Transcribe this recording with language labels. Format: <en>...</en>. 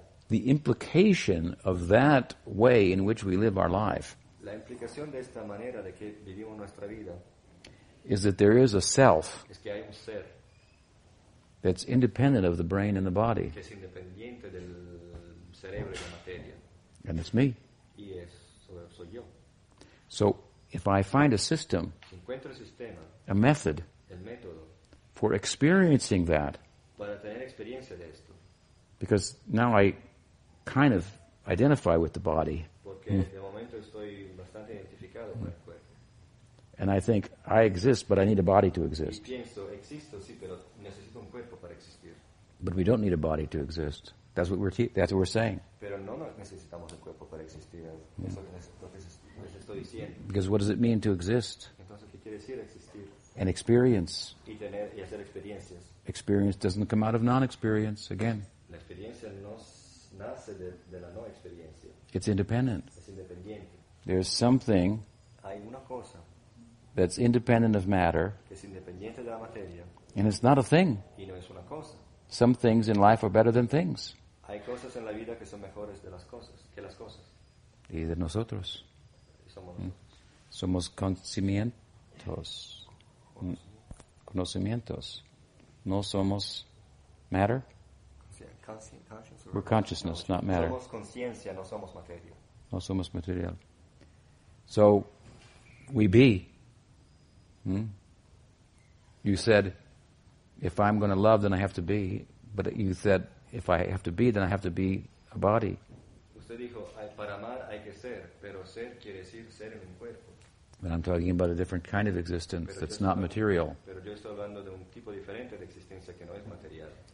<en>The implication of that way in which we live our life,</en> <es>la implicación de esta manera de que vivimos nuestra vida,</es> <en>is that there is a self,</en> <es>es que hay un ser,</es> <en>that's independent of the brain and the body,</en> <es>que es independiente del cerebro y la materia.</es> <en>And it's me.</en> <es>Y es, soy yo.</es> <en>So if I find a system,</en> <es>si encuentro el sistema,</es> <en>a method,</en> <es>el método,</es> <en>for experiencing that,</en> <es>para tener experiencia de esto,</es> <en>because now I kind of identify with the body.</en> <es>Porque de momento estoy bastante identificado con el cuerpo.</es> <en>And I think, I exist, but I need a body to exist.</en> <es>Y pienso, existo, sí, pero necesito un cuerpo para existir.</es> <en>But we don't need a body to exist. That's what we're saying.</en> <es>Pero no necesitamos el cuerpo para existir. Eso les estoy diciendo.</es> <en>Because what does it mean to exist?</en> <es>Entonces, ¿qué quiere decir existir?</es> <en>And experience.</en> <es>Y tener, y hacer experiencias.</es> <en>Experience doesn't come out of non-experience, again.</en> <es>La experiencia no nace de la no experiencia.</es> <en>It's independent.</en> <es>Es independiente.</es> <en>There's something</en> <es>hay una cosa</es> <en>that's independent of matter,</en> <es>que es independiente de la materia,</es> <en>and it's not a thing.</en> <es>Y no es una cosa.</es> <en>Some things in life are better than things.</en> <es>Hay cosas en la vida que son mejores de las cosas, que las cosas. Y de nosotros. Y somos nosotros. Somos conocimientos. Conocimientos. No somos matter.</es> <en>Conscience we're consciousness, conscience. Not matter.</en> <es>Somos conciencia, no somos material. No somos material.</es> <en>So, we be. You said, if I'm going to love, then I have to be. But you said, if I have to be, then I have to be a body.</en> <es>Usted dijo, para amar hay que ser, pero ser quiere decir ser en un cuerpo.</es> <en>But I'm talking about a different kind of existence</en> <es>pero</es> <en>that's not material.</en> <es>Pero yo estoy hablando de un tipo diferente de existencia que no es material.</es>